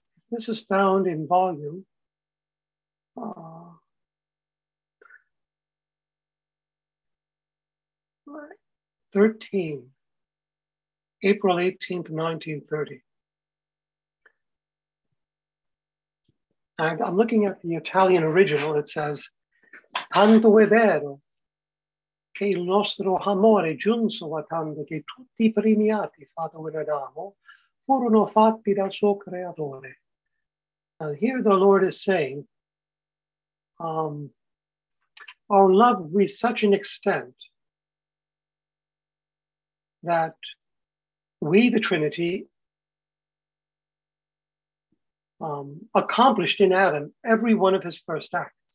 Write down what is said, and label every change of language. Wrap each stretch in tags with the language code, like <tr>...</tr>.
<en>This is found in volume 13, April 18th, 1930. And I'm looking at the Italian original. It says,</en> <it>tanto è vero che il nostro amore giunso a tanto che tutti i primi atti fatto in Adamo furono fatti dal suo creatore.</it> <en>And here the Lord is saying, our love reached such an extent that we, the Trinity, accomplished in Adam every one of his first acts.</en>